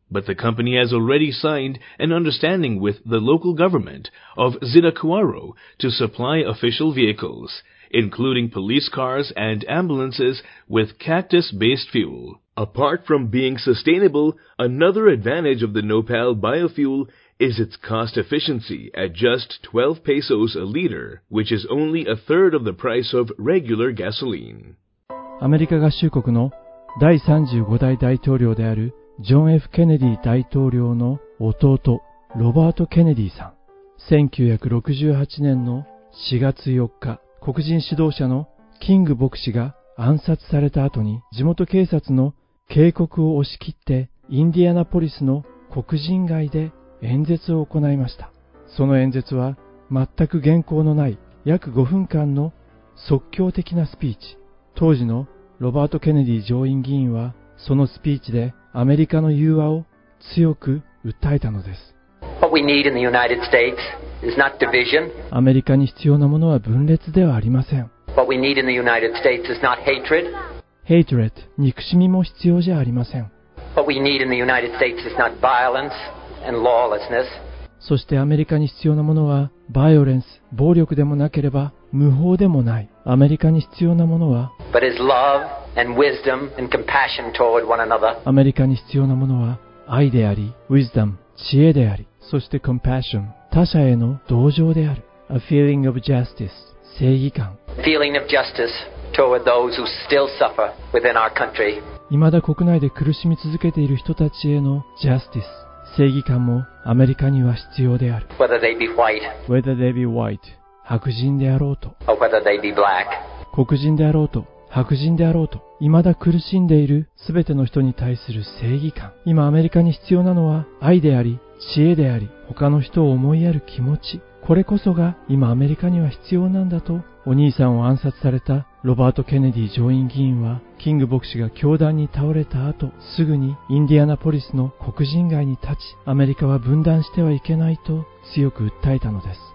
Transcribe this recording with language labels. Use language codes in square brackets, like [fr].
[en] But the company has already signed an understanding with the local government of Zitácuaro to supply official vehicles, including police cars and ambulances, with cactus-based fuel. Apart from being sustainable, another advantage of the Nopal biofuel is its cost efficiency at just 12 pesos a liter, which is only a third of the price of regular gasoline. [ja] アメリカ合衆国の第35代大統領であるジョン・ F ・ケネディ大統領の弟、ロバート・ケネディさん。 1968年の4月4日、黒人指導者のキング牧師が暗殺された後に、地元警察の警告を押し切ってインディアナポリスの黒人街で演説を行いました。その演説は全く原稿のない約5分間の即興的なスピーチ。当時のロバート・ケネディ上院議員はそのスピーチでアメリカの融和を強く訴えたのです。 [en] What we need in the United States is not division. [ja] アメリカに必要なものは分裂ではありません。 [en] What we need in the United States is not hatred. [ja] Hatred、憎しみも必要じゃありません。 [en] What we need in the United States is not violence and lawlessness. [ja] そしてアメリカに必要なものはバイオレンス、暴力でもなければ無法でもない。アメリカに必要なものは [en] But is love. And wisdom and compassion toward one another. [ja] アメリカに必要なものは愛であり、wisdom、知恵であり、そして compassion、他者への同情である。 [en] A feeling of justice、正義感。 Feeling of justice toward those who still suffer within our country. [ja] 未だ国内で苦しみ続けている人たちへの justice、正義感もアメリカには必要である。 [en] Whether they be white, whether they be white、 [ja] 白人であろうと、 [en] or whether they be black、 [ja] 黒人であろうと。白人であろうと、未だ苦しんでいる全ての人に対する正義感。今アメリカに必要なのは愛であり、知恵であり、他の人を思いやる気持ち。これこそが今アメリカには必要なんだと、お兄さんを暗殺されたロバート・ケネディ上院議員は、キング牧師が凶弾に倒れた後、すぐにインディアナポリスの黒人街に立ち、アメリカは分断してはいけないと強く訴えたのです。